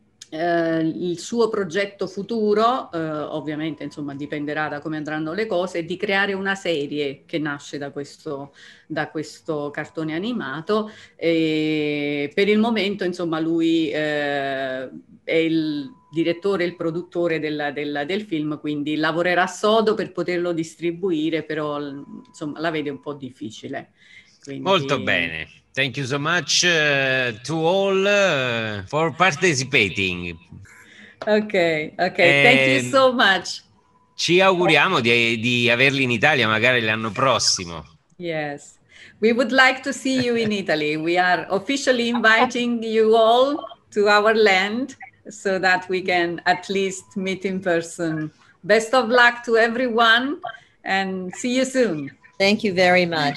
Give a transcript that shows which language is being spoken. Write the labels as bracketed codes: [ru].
[it] Il suo progetto futuro, ovviamente, insomma, dipenderà da come andranno le cose, è di creare una serie che nasce da questo cartone animato. E per il momento, insomma, lui è il direttore, il produttore del film, quindi lavorerà sodo per poterlo distribuire, però insomma la vede un po' difficile. Quindi... Molto bene. [en] Thank you so much to all for participating. Okay, thank you so much. [it] Ci auguriamo di averli in Italia magari l'anno prossimo. [en] Yes, we would like to see you in Italy. We are officially inviting you all to our land so that we can at least meet in person. Best of luck to everyone and see you soon. Thank you very much.